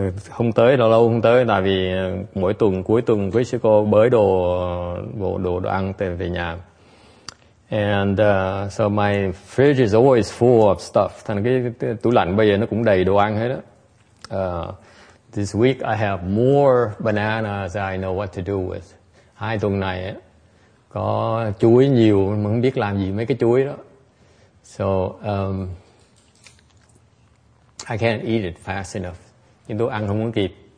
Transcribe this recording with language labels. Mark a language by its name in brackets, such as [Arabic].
[Vietnamese] Không tới, lâu không tới, tại vì mỗi tuần, cuối tuần, quý sư cô bới đồ ăn về nhà. [English] And so my fridge is always full of stuff. [Vietnamese] Thành cái tủ lạnh bây giờ nó cũng đầy đồ ăn hết đó. [English] This week I have more bananas I know what to do with. [Vietnamese] Hai tuần này có chuối nhiều mà không biết làm gì mấy cái chuối đó. [English] So I can't eat it fast enough. [Vietnamese] Nhưng tôi ăn không muốn kịp.